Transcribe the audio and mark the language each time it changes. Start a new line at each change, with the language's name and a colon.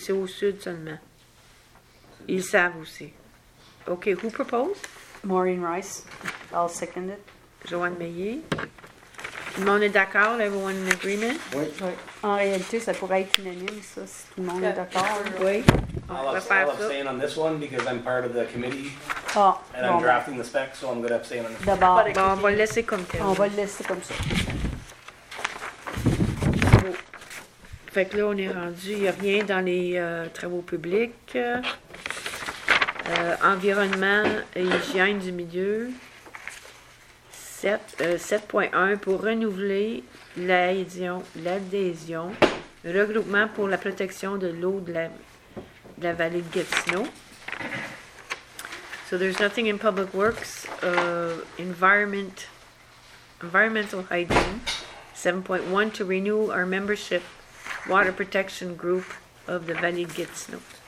French: C'est au sud seulement. Ils savent aussi.
English: Okay, who proposed? Maureen Rice. I'll second it.
French: Joanne Meillet. Tout le monde est d'accord?
English: Everyone in agreement?
French: Oui. En réalité, ça pourrait être unanime, ça, si tout le monde est d'accord. Oui.
English: I'll abstain on this one because I'm part of the committee. Ah, and
French: bon.
English: I'm drafting the spec, so I'm going to abstain on this
French: d'abord.
English: One.
French: D'abord. Bon, on va le laisser comme tel. On va le laisser comme ça. Bon. Fait que là, on est rendu. Il n'y a rien dans les travaux publics. Environnement et hygiène du milieu. 7.1 pour renouveler l'adhésion, regroupement pour la protection de l'eau de la vallée de Gatineau.
English: So there's nothing in public works, environmental hygiene, 7.1 to renew our membership, water protection group of the Vallée de Gatineau.